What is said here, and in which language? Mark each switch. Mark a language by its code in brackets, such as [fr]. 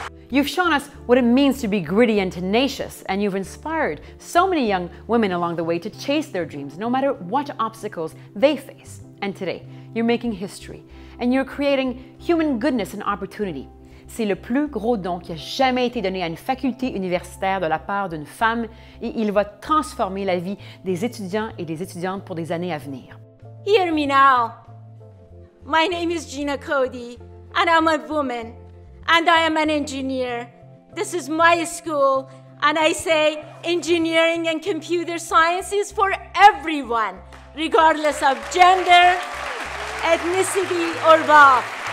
[en] You've shown us what it means to be gritty and tenacious, and you've inspired so many young women along the way to chase their dreams, no matter what obstacles they face. And today, you're making history, and you're creating human goodness and opportunity. [fr] C'est le plus gros don qui a jamais été donné à une faculté universitaire de la part d'une femme et il va transformer la vie des étudiants et des étudiantes pour des années à venir. [en] Hear me now. My name is Gina Cody and I'm a woman and I am an engineer. This is my school and I say engineering and computer science is for everyone, regardless of gender, ethnicity or wealth.